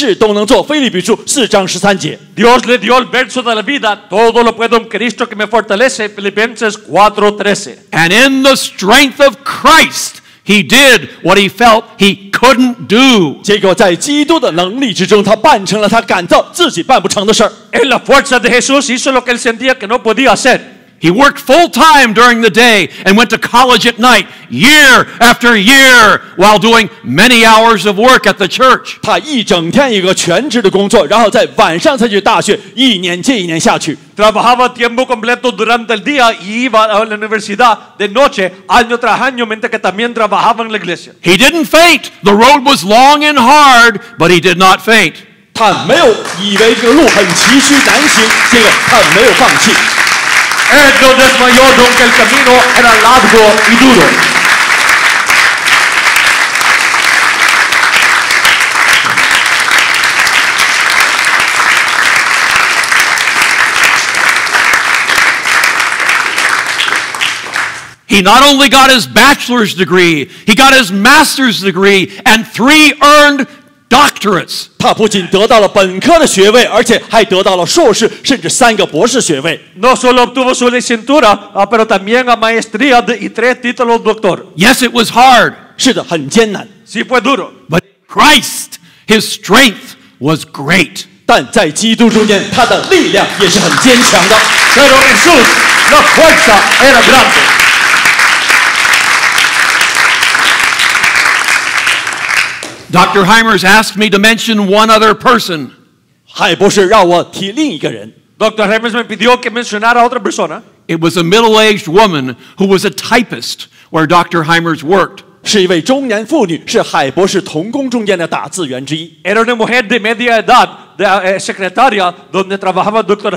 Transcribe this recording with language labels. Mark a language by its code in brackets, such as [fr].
[zh] 我靠着那加给我力量的基督，凡事都能做。腓立比书4:13. [es] Dios le dio el verso de la vida. Todo lo puedo en Cristo que me fortalece. Filipenses 4:13. [en] And in the strength of Christ, he did what he felt he couldn't do. [zh] 结果在基督的能力之中，他办成了他感到自己办不成的事儿。 [es] En la fuerza de Jesús hizo lo que él sentía que no podía hacer. [en] He worked full time during the day and went to college at night, year after year, while doing many hours of work at the church. [zh] 他一整天一个全职的工作，然后在晚上才去大学，一年接一年下去。 [es] Trabajaba tiempo completo durante el día y iba a la universidad de noche, año tras año, mientras que también trabajaba en la iglesia. [en] He didn't faint. The road was long and hard, but he did not faint. [zh] 他没有以为这个路很崎岖难行，结果他没有放弃。 [es] Él no desmayó, aunque el camino era largo y duro. [en] He not only got his bachelor's degree, he got his master's degree and 3 earned doctorates. [zh] 他不仅得到了本科的学位，而且还得到了硕士，甚至3个博士学位。 [es] No solo obtuvo su licenciatura, pero también a maestría y 3 títulos doctor. [en] Yes, it was hard. [zh] 是的，很艰难。 [es] Sí fue duro. [en] But Christ, his strength was great. [zh] 但在基督中间，他的力量也是很坚强的。 [es] Pero Jesús, la fuerza era grande. [en] Dr. Hymers asked me to mention one other person. [zh] 海博士让我提另一个人。 [es] Dr. Hymers me pidió que mencionara a otra persona. [en] It was a middle-aged woman who was a typist where Dr. Hymers worked. [zh] 是一位中年妇女，是海博士同工中间的打字员之一。 [es] Era una mujer de media edad, de secretaria donde trabajaba Dr.